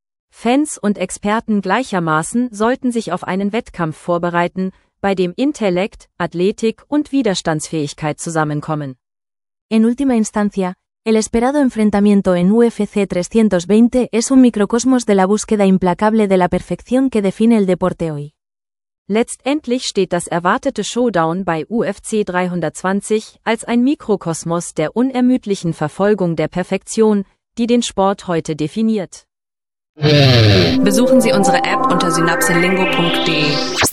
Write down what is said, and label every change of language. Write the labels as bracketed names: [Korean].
[German] Fans und Experten gleichermaßen sollten sich auf einen Wettkampf vorbereiten, bei dem Intellekt, Athletik und Widerstandsfähigkeit zusammenkommen. [Spanish] En última instancia, el esperado enfrentamiento en UFC 320 es un microcosmos de la búsqueda implacable de la perfección que define el deporte hoy. [German] Letztendlich steht das erwartete Showdown bei UFC 320 als ein Mikrokosmos der unermüdlichen Verfolgung der Perfektion, die den Sport heute definiert. Besuchen Sie unsere App unter synapselingo.de.